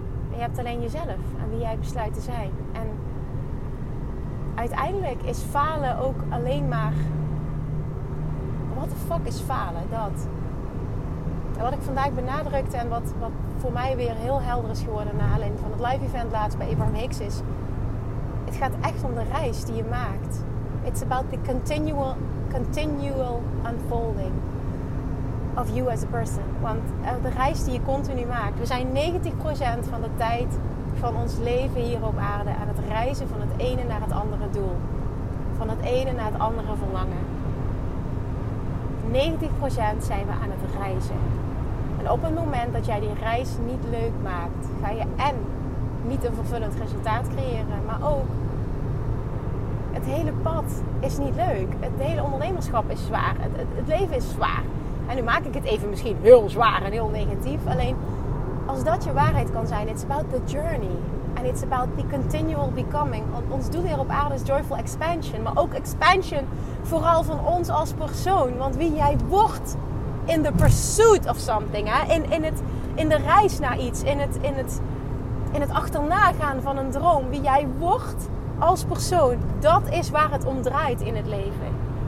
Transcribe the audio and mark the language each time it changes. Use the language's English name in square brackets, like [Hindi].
[Dutch] Je hebt alleen jezelf en wie jij besluit te zijn. En uiteindelijk is falen ook alleen maar... [English] What the fuck is [Dutch] falen? Dat. En wat ik vandaag benadrukte en wat voor mij weer heel helder is geworden na aanleiding van het live event laatst bij Abraham Hicks is: het gaat echt om de reis die je maakt. [English] It's about the continual unfolding of you as a person. [Dutch] Want de reis die je continu maakt. We zijn 90% van de tijd van ons leven hier op aarde aan het reizen van het ene naar het andere doel. Van het ene naar het andere verlangen. 90% zijn we aan het reizen. En op het moment dat jij die reis niet leuk maakt, ga je en niet een vervullend resultaat creëren, maar ook het hele pad is niet leuk. Het hele ondernemerschap is zwaar. Het leven is zwaar. En nu maak ik het even misschien heel zwaar en heel negatief. Alleen, als dat je waarheid kan zijn, [English] it's about the journey. And it's about the continual becoming. [Dutch] Want ons doel hier op aarde is [English] joyful expansion. [Dutch] Maar ook expansion vooral van ons als persoon. Want wie jij wordt [English] in the pursuit of something. [Dutch] Hè? In de reis naar iets. In het achterna gaan van een droom. Wie jij wordt als persoon. Dat is waar het om draait in het leven.